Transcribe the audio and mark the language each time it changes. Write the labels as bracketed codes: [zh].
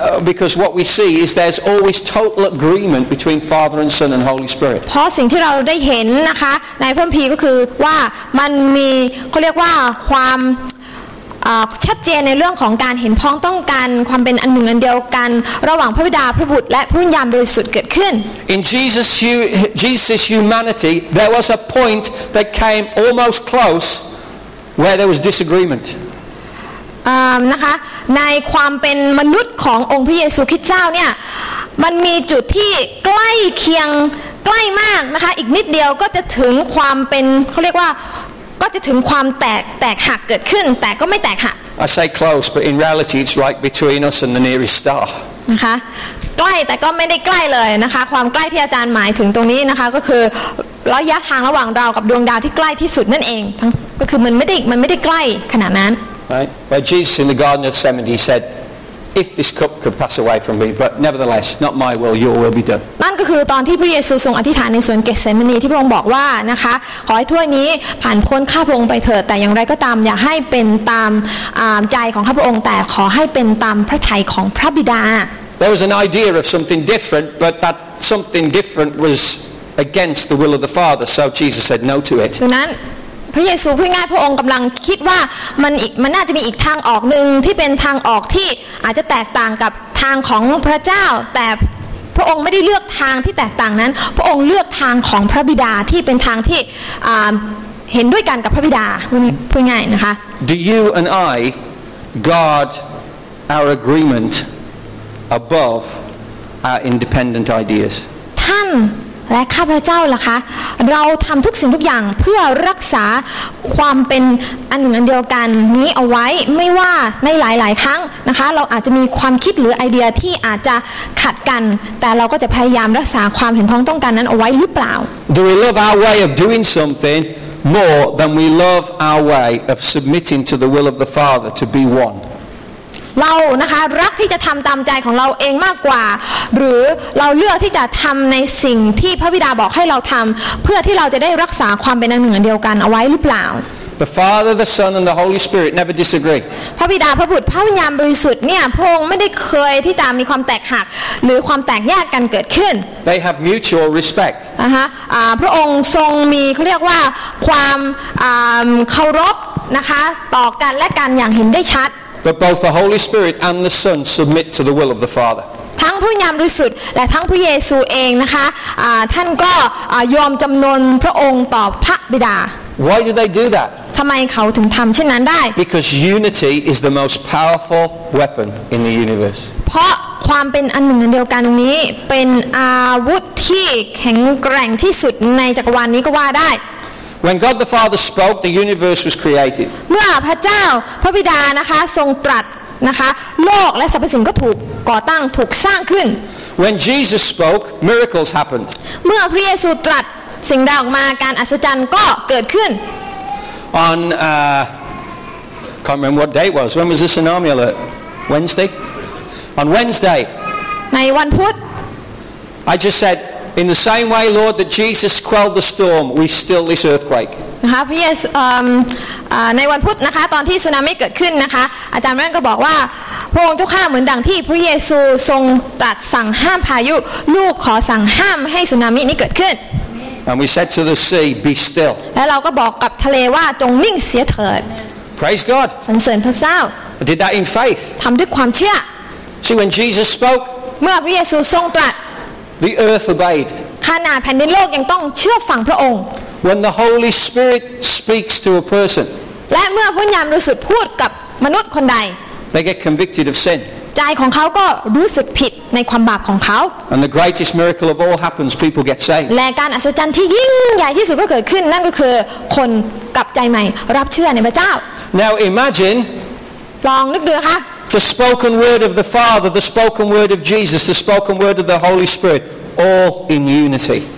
[en] Because what we see is there's always total agreement between Father and Son and Holy Spirit. [th] เพราะสิ่งที่เราได้เห็นนะคะในพระคัมภีร์ก็คือว่ามันมีเขาเรียกว่าความชัดเจนในเรื่องของการเห็นพ้องต้องกันความเป็นอันหนึ่งอันเดียวกันระหว่างพระบิดาพระบุตรและพระวิญญาณบริสุทธิ์เกิดขึ้น [en] In Jesus' humanity, there was a point that came almost close where there was disagreement. [th] นะคะในความเป็นมนุษย์ขององค์พระเยซูคริสต์เจ้าเนี่ยมันมีจุดที่ใกล้เคียงใกล้มากนะคะอีกนิดเดียวก็จะถึงความเป็นเขาเรียกว่าก็จะถึงความแตกหักเกิดขึ้นแต่ก็ไม่แตกหัก [en] I say close but in reality it's right between us and the nearest star [th] นะคะใกล้แต่ก็ไม่ได้ใกล้เลยนะคะความใกล้ที่อาจารย์หมายถึงตรงนี้นะคะก็คือระยะทางระหว่างเรากับดวงดาวที่ใกล้ที่สุดนั่นเองก็คือมันไม่ได้ใกล้ขนาดนั้น [en] Right. But Jesus in the Garden of Gethsemane said, "If this cup could pass away from me, but nevertheless, not my will, your will be done." [th] นั่นก็คือตอนที่พระเยซูทรงอธิษฐานในสวนเกสเซมานีที่พระองค์บอกว่านะคะขอให้ถ้วยนี้ผ่านพ้นข้าพระองค์ไปเถิดแต่อย่างไรก็ตามอย่าให้เป็นตามใจของข้าพระองค์แต่ขอให้เป็นตามพระทัยของพระบิดา [en] There was an idea of something different, but that something different was against the will of the Father. So Jesus said no to it. [th] ดังนั้นพระเยซูพูดง่ายพระองค์กำลังคิดว่ามันน่าจะมีอีกทางออกหนึ่งที่เป็นทางออกที่อาจจะแตกต่างกับทางของพระเจ้าแต่พระองค์ไม่ได้เลือกทางที่แตกต่างนั้นพระองค์เลือกทางของพระบิดาที่เป็นทางที่เห็นด้วยกันกับพระบิดาพูดง่ายนะคะ [en] Do you and I guard our agreement above our independent ideas [th] ท่าน และข้าพเจ้าล่ะคะเราทำทุกสิ่งทุกอย่างเพื่อรักษาความเป็นอันหนึ่งอันเดียวกันนี้เอาไว้ไม่ว่าในหลายๆครั้งนะคะเราอาจจะมีความคิดหรือไอเดียที่อาจจะขัดกันแต่เราก็จะพยายามรักษาความเห็นพ้องต้องกันนั้นเอาไว้หรือเปล่า [en] Do we love our way of doing something more than we love our way of submitting to the will of the Father to be one? [th] เรานะคะรักที่จะทำตามใจของเราเองมากกว่าหรือเราเลือกที่จะทำในสิ่งที่พระบิดาบอกให้เราทำเพื่อที่เราจะได้รักษาความเป็นอันหนึ่งอันเดียวกันเอาไว้หรือเปล่า [en] The Father, the Son, and the Holy Spirit never disagree. [th] พระบิดาพระบุตรพระวิญญาณบริสุทธิ์เนี่ยพระองค์ไม่ได้เคยที่จะมีความแตกหักหรือความแตกแยกกันเกิดขึ้น [en] They have mutual respect. [th] นะคะพระองค์ทรงมีเขาเรียกว่าความเคารพนะคะต่อกันและกันอย่างเห็นได้ชัด [en] But both the Holy Spirit and the Son submit to the will of the Father. [th] ทั้งพระวิญญาณบริสุทธิ์และทั้งพระเยซูเองนะคะท่านก็ยอมจำนนพระองค์ต่อพระบิดา [en] Why do they do that? [th] ทำไมเขาถึงทำเช่นนั้นได้ [en] Because unity is the most powerful weapon in the universe. [th] เพราะความเป็นอันหนึ่งอันเดียวกันนี้เป็นอาวุธที่แข็งแกร่งที่สุดในจักรวาลนี้ก็ว่าได้ [en] When God the Father spoke, the universe was created. [th] เมื่อพระเจ้าพระบิดานะคะทรงตรัสนะคะโลกและสรรพสิ่งก็ถูกก่อตั้งถูกสร้างขึ้น [en] When Jesus spoke, miracles happened. [th] เมื่อพระเยซูตรัสสิ่งใดออกมาการอัศจรรย์ก็เกิดขึ้น [en] On can't remember what day it was. When was the tsunami alert? Wednesday. On Wednesday. [th] ในวันพุธ [en] I just said. In the same way, Lord, that Jesus quelled the storm, we still this earthquake. [th] นะคะ yes ในวันพุธนะคะตอนที่สึนามิเกิดขึ้นนะคะอาจารย์แม่ก็บอกว่าพระองค์เจ้าข้าเหมือนดังที่พระเยซูทรงตรัสสั่งห้ามพายุลูกขอสั่งห้ามให้สึนามินี้เกิดขึ้น [en] And we said to the sea, be still. [th] และเราก็บอกกับทะเลว่าจงนิ่งเสียเถิด [en] Praise God. [th] สรรเสริญพระเจ้า [en] Did that in faith. [th] ทำด้วยความเชื่อ [en] See when Jesus spoke. [th] เมื่อพระเยซูทรงตรัส [en] The earth obeyed. [th] ขนาดแผ่นดินโลกยังต้องเชื่อฟังพระองค์ [en] When the Holy Spirit speaks to a person. [th] และเมื่อพระวิญญาณบริสุทธิ์พูดกับมนุษย์คนใด [en] They get convicted of sin. [th] ใจของเขาก็รู้สึกผิดในความบาปของเขา [en] And the greatest miracle of all happens. People get saved. [th] และการอัศจรรย์ที่ยิ่งใหญ่ที่สุดก็เกิดขึ้นนั่นก็คือคนกลับใจใหม่รับเชื่อในพระเจ้า [en] Now imagine. [th] ลองนึกดูค่ะ [en] The spoken word of the Father, the spoken word of Jesus, the spoken word of the Holy Spirit, all in unity.